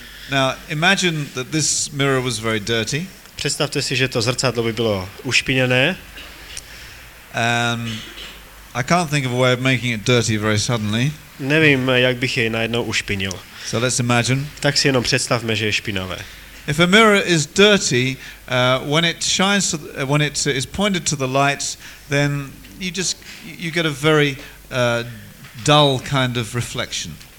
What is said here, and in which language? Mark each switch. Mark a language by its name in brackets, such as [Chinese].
[English] Now, imagine that this mirror was very dirty. [Czech] Představte si, že to zrcadlo by bylo ušpiněné. [English] I can't think of a way of making it dirty very suddenly. [Czech] Nevím, jak bych jej najednou ušpinil. [English] So let's imagine. [Czech] Tak si jenom představme, že je špinavé. [English] If a mirror is dirty, when it shines, when it is pointed to the light, then you get a very dull kind of reflection.